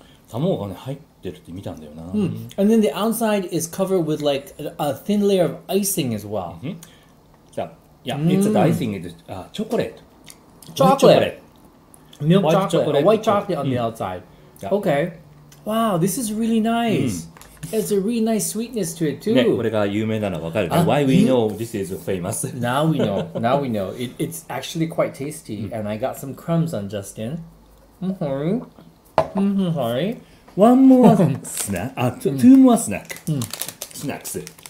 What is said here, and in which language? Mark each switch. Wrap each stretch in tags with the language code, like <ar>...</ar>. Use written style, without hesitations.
<ja>卵がね、入ってるって見たんだよな。</ja> <en>And then the outside is covered with like a thin layer of icing as well. Mm-hmm. Yeah, it's the icing. It's chocolate. Chocolate. Milk chocolate. Chocolate. White chocolate on the outside. Yeah. Okay. Wow, this is really nice. It's a really nice sweetness to it too.</en> <ja>ね、これが有名なの分かる。</ja> <en>Why we know this is famous? Now we know. Now we know. It's actually quite tasty. And I got some crumbs on Justin. Sorry. One more snack. Two more snack. Snacks.</en>